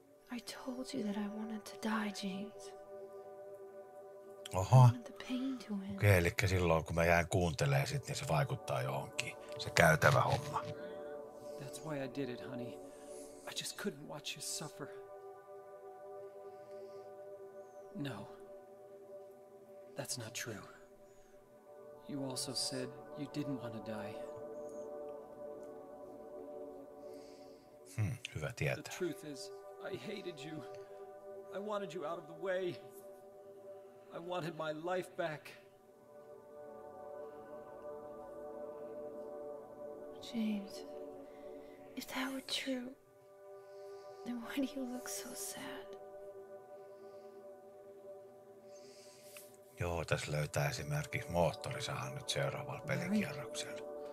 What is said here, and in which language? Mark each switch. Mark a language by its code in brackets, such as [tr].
[en] I told you that I wanted to die, James. Oho. [fi] Okei, eli silloin kun mä jään kuuntelemaan sit, niin se vaikuttaa johonkin. Se käytävä homma. [en] That's why I did it, honey. I just couldn't watch you suffer. No. That's not true. You also said you didn't want to die. [fi] Hyvä tietää. [en] The truth is, I hated you. I wanted you out of the way. I wanted my life back. James, if that were true, then why do you look so sad? [fi] Joo, tässä löytää esimerkiksi moottorisahan nyt seuraavalla pelikierroksella.